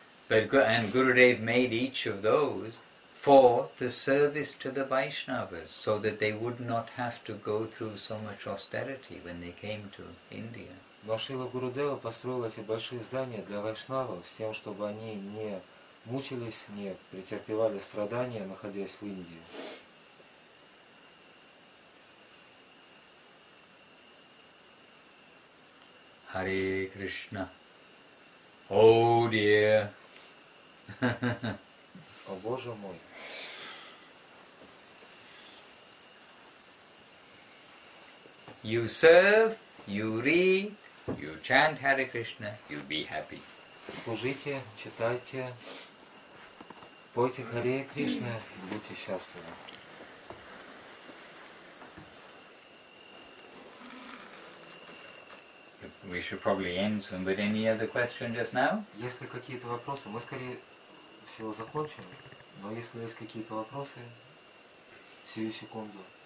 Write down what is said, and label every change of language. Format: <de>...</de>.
<en>And Gurudev made each of those for the service to the Vaishnavas, so that they would not have to go through so much austerity when they came to India.</en> <ru>Но Шрила Гурудев построил эти большие здания для вайшнавов, с тем, чтобы они не мучились, не претерпевали страдания, находясь в Индии.</ru> <en>Hare Krishna. Oh dear.</en> <ru>О, Боже мой!</ru> <en>You serve, you read, you chant Hare Krishna, you'll be happy.</en> <ru>Служите, читайте, пойте Харе Кришна, будьте счастливы.</ru> <en>We should probably end soon, but any other question just now?</en> <ru>Если какие-то вопросы, мы скорее всего закончим, но если есть какие-то вопросы, сию секунду.</ru>